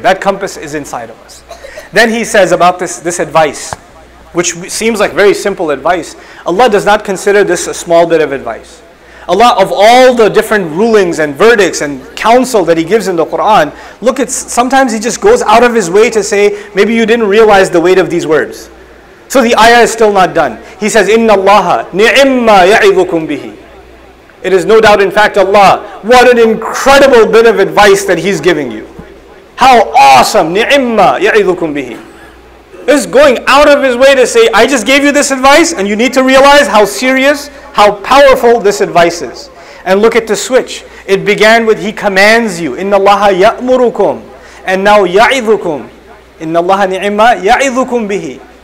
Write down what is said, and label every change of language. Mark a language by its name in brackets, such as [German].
[English] That compass is inside of us. Then he says about this advice, which seems like very simple advice. Allah does not consider this a small bit of advice. Allah, of all the different rulings and verdicts and counsel that He gives in the Quran, look, it's sometimes He just goes out of His way to say, maybe you didn't realize the weight of these words. So the ayah is still not done. He says, [Arabic] إِنَّ اللَّهَ نِعِمَّا يَعِذُكُمْ بِهِ. [English] It is no doubt, in fact, Allah, what an incredible bit of advice that He's giving you. How awesome, [Arabic] نِعِمَّا يَعِذُكُمْ بِهِ. [English] Is going out of His way to say, I just gave you this advice, and you need to realize how serious, how powerful this advice is. And look at the switch. It began with, He commands you, [Arabic] إِنَّ اللَّهَ يَأْمُرُكُمْ, [English] and now يَعِذُكُمْ. [Arabic] إِنَّ اللَّهَ نِعِمَّا يَعِذُكُمْ بِهِ.